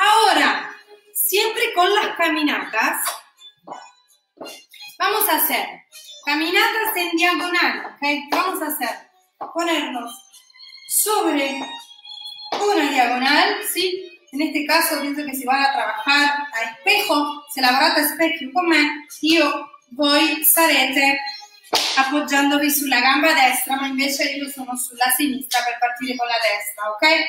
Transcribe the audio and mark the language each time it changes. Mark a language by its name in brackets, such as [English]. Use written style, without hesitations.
[Italian] Ora, sempre con le camminate, [Spanish] vamos a hacer. Caminatas en diagonal, ok? Vamos a hacer, ponernos sobre una diagonal, ¿sí? En este caso, pienso que si van a trabajar a espejo, [Italian] si lavorate a specchio con me, io voi sarete appoggiandovi sulla gamba destra, ma invece io sono sulla sinistra per partire con la destra, [Spanish] ok?